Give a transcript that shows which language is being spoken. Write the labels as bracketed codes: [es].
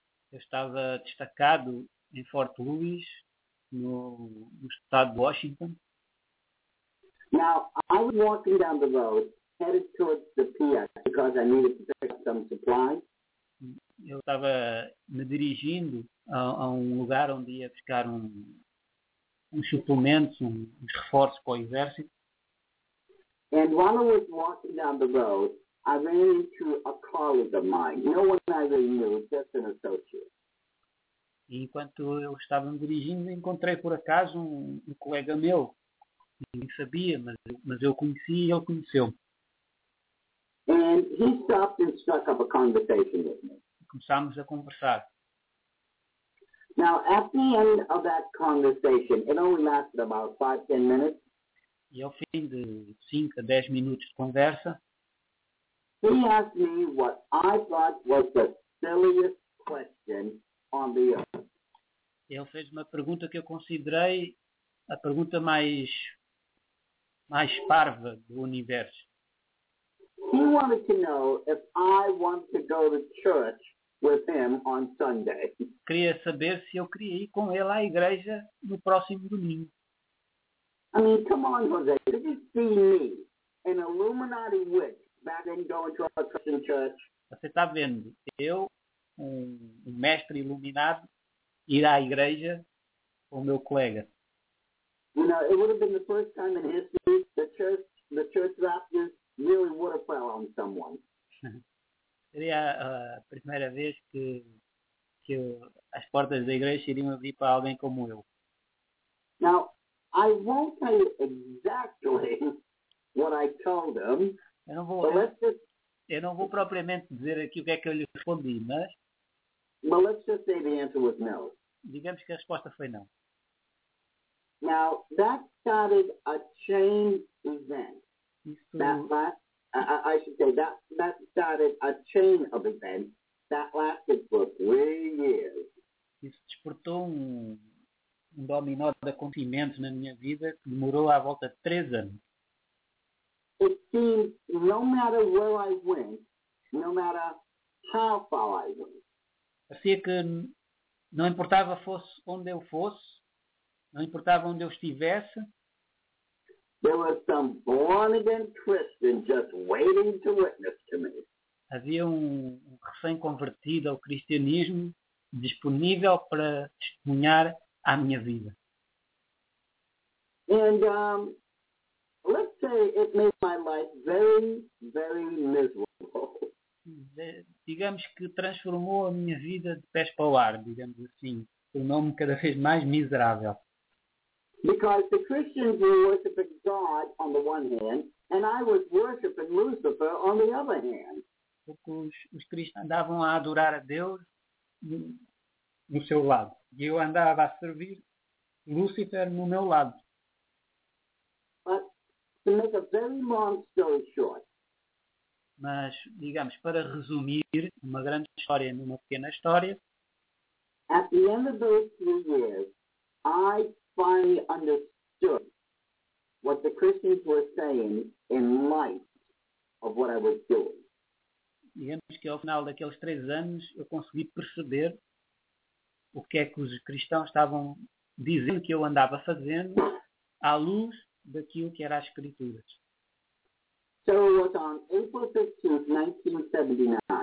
[pt] eu estava destacado em Fort Lewis, no estado de Washington. [en] Now, I was walking down the road, headed towards the pier, because I needed to pick up some supplies. [pt] Eu estava me dirigindo a um lugar onde ia buscar uns suplementos, uns reforços para o exército. [en] And while I was walking down the road, I ran into a colleague of mine. No one I really knew, just an associate. [pt] E enquanto eu estava me dirigindo, encontrei por acaso um colega meu. Ninguém sabia, mas eu conheci e ele conheceu-me. [en] And he stopped and struck up a conversation with me. [pt] Começámos a conversar. [en] Now, at the end of that conversation, it only lasted about 5-10 minutes. [pt] E ao fim de 5 a 10 minutos de conversa, [en] he asked me what I thought was the silliest question on the earth. [pt] Ele fez uma pergunta que eu considerei a pergunta mais parva do universo. [en] He wanted to know if I want to go to church with him on Sunday. Queria saber se eu queria ir com ele à igreja no próximo domingo. I mean, come on, Jose. Did you see me, an Illuminati witch, back then going to a Christian church? [pt] Você está vendo? Eu, um mestre iluminado, ir à igreja com o meu colega. [en] You know, it would have been the first time in history the church rafters really would have fell on someone. [pt] Seria a primeira vez que as portas da igreja iriam abrir para alguém como eu. [en] Now, I won't tell you exactly what I told him. [pt] Eu não vou propriamente dizer aqui o que é que eu lhe respondi, mas... [en] Well, let's just say the answer was no. [pt] Digamos que a resposta foi não. [en] Now, that started a chain event. [pt] Isso despertou um dominó de acontecimentos na minha vida que demorou à volta de 3 anos. [en] It seemed no matter where I went, no matter how far I went. [pt] Parecia que não importava fosse onde eu fosse, não importava onde eu estivesse. [en] There was some born-again Christian just waiting to witness to me. [pt] Havia um recém-convertido ao cristianismo disponível para testemunhar à minha vida. [en] And let's say it made my life very, very miserable. [pt] Digamos que transformou a minha vida de pés para o ar, digamos assim. Tornou-me cada vez mais miserável. [en] Because the Christians were worshiping God on the one hand, and I was worshiping Lucifer on the other hand. [pt] Os cristãos andavam a adorar a Deus no seu lado, e eu andava a servir Lucifer no meu lado. [en] But to make a very long story short. [pt] Mas, digamos, para resumir uma grande história numa pequena história. [en] At the end of those 3 years, I finally understood what the Christians were saying in light of what I was doing. [pt] Digamos que ao final daqueles 3 anos eu consegui perceber o que é que os cristãos estavam dizendo que eu andava fazendo à luz daquilo que era as Escrituras. [en] So it was on April 15, 1979.